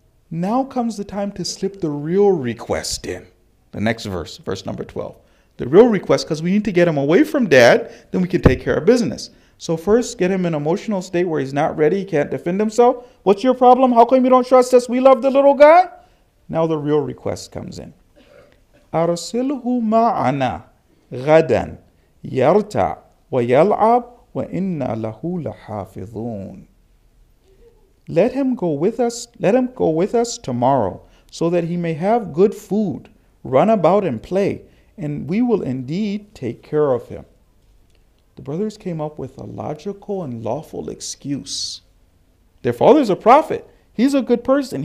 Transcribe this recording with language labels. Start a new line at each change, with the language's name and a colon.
English: Now comes the time to slip the real request in. The next verse, verse number 12. The real request, because we need to get him away from dad, then we can take care of business. So first, get him in an emotional state where he's not ready, he can't defend himself. What's your problem? How come you don't trust us? We love the little guy. Now the real request comes in.
Arabic: أَرْسِلْهُ مَعَنَا غَدًا يَرْتَعْ وَيَلْعَبْ وَإِنَّا لَهُ لَحَافِظُونَ
English: Let him go with us. Let him go with us tomorrow, so that he may have good food, run about and play, and we will indeed take care of him. The brothers came up with a logical and lawful excuse. Their father's a prophet. He's a good person.